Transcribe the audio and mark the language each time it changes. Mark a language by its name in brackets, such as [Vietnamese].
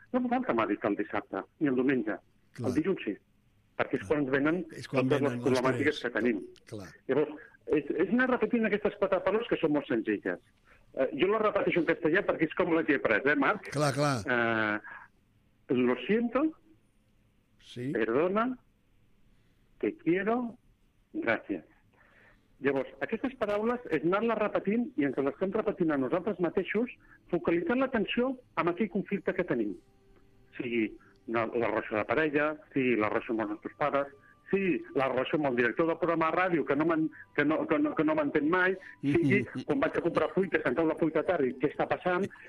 [Catalan] No fa falta meditar el dissabte, ni el diumenge. Clar. El dilluns sí, perquè és quan ens venen les problemàtiques que tenim. Clar. Llavors, és anar repetint aquestes quatre paraules que són molt senzilles. Jo les repeteixo en castellà perquè és com les he après, Marc? Clar, clar. [Spanish] Lo siento, sí. Perdona, te quiero, gracias. [Catalan] Llavors, aquestes paraules és anar-les repetint i ens les estem repetint a nosaltres mateixos, focalitzant l'atenció en aquell conflicte que tenim. Sigui la relació de parella, sigui la relació amb els nostres pares, sigui la relació amb el director del programa de ràdio, que no m'entén mai, sigui quan vaig a comprar fruita, senteu la fruita tard i què està passant.